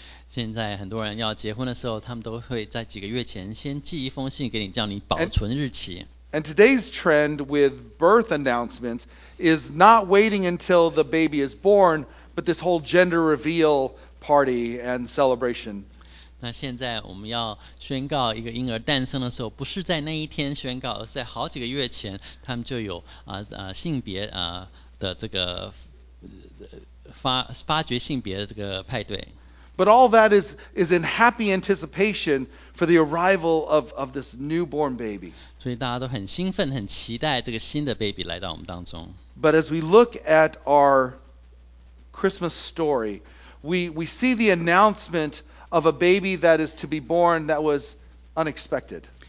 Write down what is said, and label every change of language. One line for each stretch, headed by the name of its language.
Chinese: 现在很多人要结婚的时候，他们都会在几个月前先寄一封信给你，叫你保存日期。
English: And today's trend with birth announcements is not waiting until the baby is born, but this whole gender reveal party and celebration.
Chinese: 那现在我们要宣告一个婴儿诞生的时候，不是在那一天宣告，而是在好几个月前，他们就有性别的这个发掘性别的这个派对。
English: But all that is in happy anticipation for the arrival of this newborn baby.
Chinese: 所以大家都很兴奋，很期待这个新的 baby 来到我们当中。
English: But as we look at our Christmas story, we see the announcement of a baby that is to be born that was unexpected.